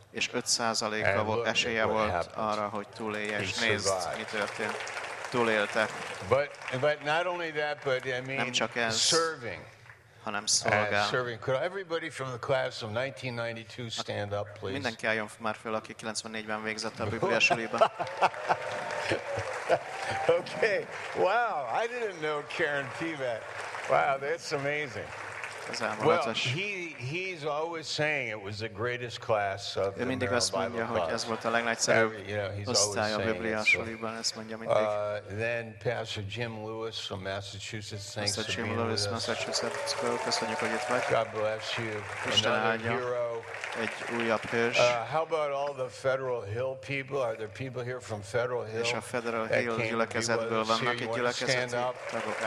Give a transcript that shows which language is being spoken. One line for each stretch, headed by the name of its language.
Hungarian: És 5%-a volt esélye volt arra, hogy túlélje. És nézd, mi történt. Túlélte.
English: But not only that, but I mean, serving. And serving. Could everybody from the class of 1992 stand up, please?
Hungarian: Mindenki álljon már föl, aki 94-ben végzett a Biblia suliba.
English: Okay. Wow. I didn't know Karen Pivet. Wow, that's amazing. Well, he's always saying it was the greatest class of the Maryland Bible College.
Hungarian: Mindig azt mondja, hogy ez volt a legnagyszerűbb.
English: He's always saying
Hungarian: a Biblia suliban, ezt mondja mindig.
English: Then Pastor Jim Lewis from Massachusetts, thanks for being with us.
Hungarian: Massachusetts, köszönjük, hogy itt vagy.
English: God bless you.
Hungarian: Isten áldja. Egy újabb hős.
English: How about all the Federal Hill people? Are there people here from Federal Hill?
Hungarian: És a Federal Hill gyülekezetből vannak egy gyülekezeti tagok.